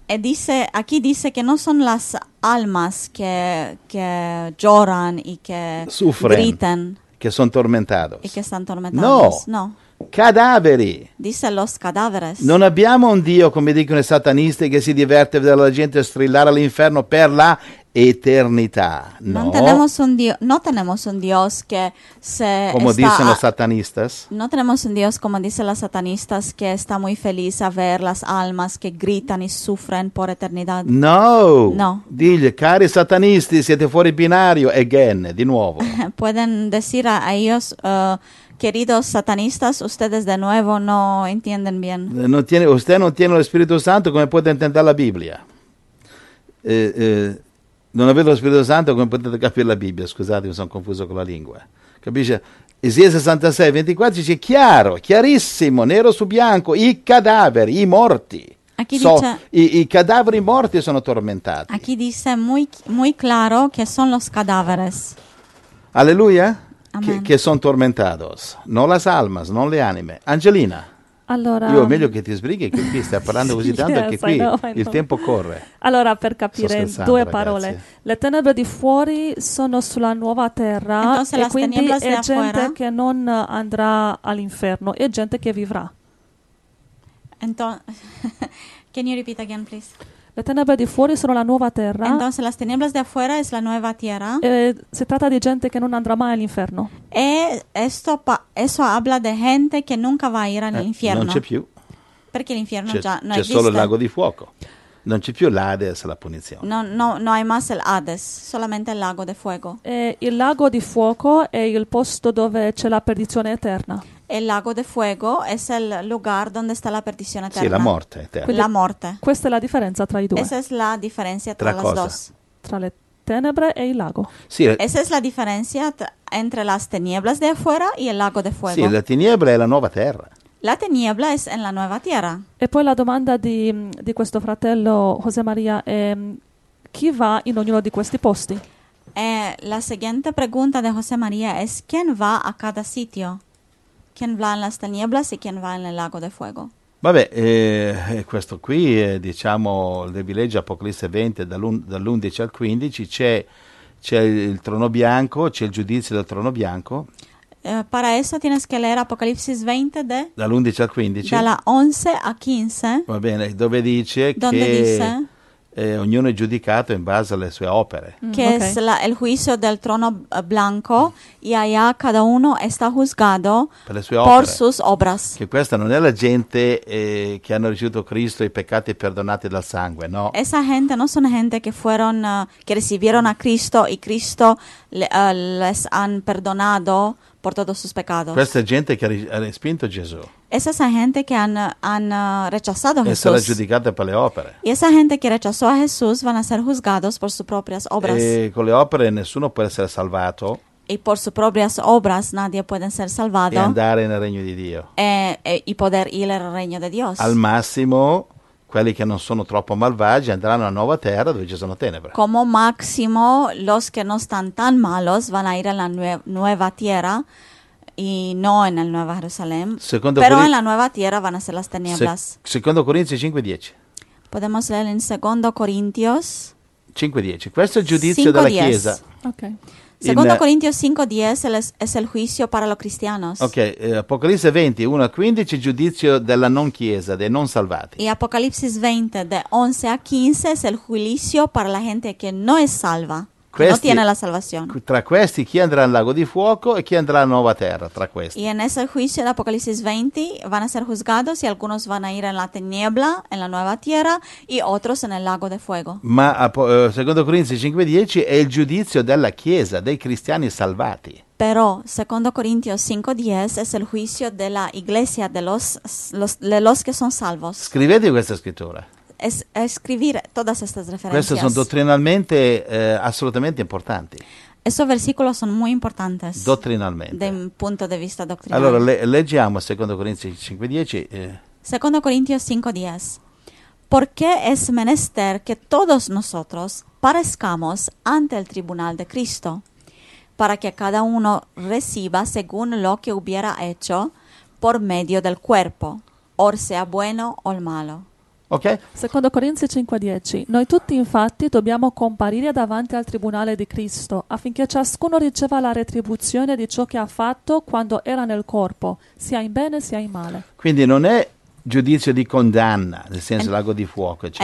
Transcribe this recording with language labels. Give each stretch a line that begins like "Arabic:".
Italian: E dice, a chi dice che non sono
Spanish: las almas
Italian: che gioran e che griten. Che sono tormentados. E che sono
Spanish: tormentados. No. No.
Italian: Cadaveri.
Spanish: Dice los cadáveres.
Italian: Non abbiamo un Dio, come dicono i satanisti, che si diverte a vedere la gente strillare all'inferno per la eternità. No.
Spanish: Non tenemos un Dio, no tenemos un Dios que se como dicen los satanistas. No tenemos un Dios como dicen los satanistas que está muy feliz a ver las almas que gritan y sufren por eternidad. No. No.
Italian: Dile, cari satanisti, siete fuori binario again, di nuovo.
Spanish: Pueden decir a ellos queridos satanistas, ustedes de nuevo no entienden bien. No tiene, usted no tiene el Espíritu Santo, ¿cómo puede entender la Biblia?
Italian: Non avete lo Spirito Santo, come potete capire la Bibbia? Scusate, mi sono confuso con la lingua. Capisce? Isaia 66, 24 dice chiaro, chiarissimo, nero su bianco, i cadaveri, i morti. A chi dice, I cadaveri morti sono tormentati. A chi dice
Spanish: muy claro
Italian: che sono
Spanish: los cadáveres.
Italian: Alleluia? Che sono tormentados. Non
Spanish: las almas,
Italian: non le anime. Angelina. Allora, io meglio che ti sbrighi, che qui stai parlando così tanto, yes, che qui il tempo corre. Allora, per capire, due parole. Ragazzi. Le tenebre di fuori sono sulla nuova terra.
Spanish: Entonces,
Italian: e quindi è gente
Spanish: fuera?
Italian: Che non andrà all'inferno, è gente che vivrà.
English: Can you repeat again, please?
Italian: Le tenebre di fuori sono la nuova terra.
Spanish: Entonces, las tenebras de afuera es la nueva tierra.
Italian: Si tratta di gente che non andrà mai all'inferno.
Spanish: E esto habla de gente che nunca va a ir all'inferno.
Italian: Non c'è più. Perché l'inferno già non esiste. C'è solo il lago di fuoco. Non c'è più l'Hades, la punizione.
Spanish: No hay más el Hades, solamente el lago de fuego.
Italian: Il lago di fuoco è il posto dove c'è la perdizione eterna.
Spanish: El lago de fuego es el lugar donde está la perdición eterna.
Italian: Sì, la morte eterna. Quindi, la morte. Questa è la differenza tra i due.
Spanish: Esa es la diferencia tra las
Italian: cosa?
Spanish: Dos.
Italian: Tra le tenebre e il lago. Sì,
Spanish: esa es la diferencia entre las tinieblas de afuera y el lago de fuego.
Italian: Sì, la tiniebla è la nuova terra.
Spanish: La tiniebla es en la nueva tierra.
Italian: E poi la domanda di questo fratello José María è chi va in ognuno di questi posti?
Spanish: La siguiente pregunta de José María es ¿quién va a cada sitio?
Italian: Chi va in
Spanish: las tinieblas
Italian: e chi va nel
Spanish: lago de fuego.
Italian: Vabbè, questo qui, diciamo, devi leggere Apocalisse 20, dall'11 al 15, c'è il trono bianco, c'è il giudizio del trono bianco.
Spanish: Para eso tienes que leer Apocalipsi 20 de...
Italian: Dall'11 al 15. Dalla 11 a 15. Va bene, dove dice
Spanish: donde
Italian: che... Dice, ognuno è giudicato in base alle sue opere. Che è il giudizio del trono bianco e allà cada uno è giudicato per le sue opere.
Spanish: Por sus obras.
Italian: Che questa non è la gente che hanno ricevuto Cristo e i peccati perdonati dal sangue, no.
Spanish: Esa gente
Italian: non sono gente che
Spanish: ricevieron a Cristo
Italian: e Cristo les han perdonato per tutti i suoi peccati. Questa è gente che ha respinto Gesù.
Spanish: Esa es la gente que han rechazado a Jesús.
Italian: E sarà giudicata per le opere.
Spanish: Y esa gente que rechazó a Jesús van a ser juzgados por sus propias obras.
Italian: E con le opere nessuno può essere salvato.
Spanish: Y por sus propias obras nadie puede ser salvado.
Italian: E andare nel regno di Dio.
Spanish: E poder ir al regno de Dios.
Italian: Al massimo, quelli che non sono troppo malvagi andranno a nuova terra dove ci sono tenebre.
Spanish: Como máximo, los que no están tan malos van a ir a la nueva tierra.
Italian: E non nel Nuovo Gerusalemme, secondo però nella nuova terra vanno a essere le tenebras. Secondo Corinzi 5:10. Possiamo leggere in Secondo Corintios 5:10. Questo è il giudizio 5, della 10. Chiesa.
English: Okay.
Italian: Secondo Corintio 5:10 è il giudizio per i cristiani. Ok, Apocalisse 20:1-15 giudizio della non chiesa, dei non salvati. E Apocalisse 20:11-15 è il giudizio per la gente che non è salva. Questi, non tiene la salvazione. Tra questi chi andrà al lago di fuoco e chi andrà a nuova terra, tra questi.
Spanish: E in ese juicio de Apocalipsis 20 van a ser juzgados y algunos van a ir en la tiniebla, en la nueva tierra, y otros en el lago de fuego.
Italian: Ma secondo Corinzi 5:10 è il giudizio della chiesa, dei cristiani salvati.
Spanish: Però secondo Corintios 5:10 es el juicio de la iglesia de los que son salvos.
Italian: Scrivete questa scrittura. Scrivere tutte queste referenze. Queste sono dottrinalmente assolutamente importanti. Questi versicoli sono molto importanti. Dottrinalmente. Da un punto di vista dottrinale. Allora, leggiamo secondo Corinzi 5:10.
Spanish: Secondo Corintios 5:10. Perché è menester che todos nosotros parezcamos ante il tribunal de Cristo, para que cada uno reciba según lo que hubiera hecho por medio del cuerpo, or sea bueno o malo.
English: Okay.
Italian: Secondo Corinzi 5:10, noi tutti infatti dobbiamo comparire davanti al tribunale di Cristo affinché ciascuno riceva la retribuzione di ciò che ha fatto quando era nel corpo, sia in bene sia in male. Quindi non è giudizio di condanna, nel senso lago di fuoco, eccetera.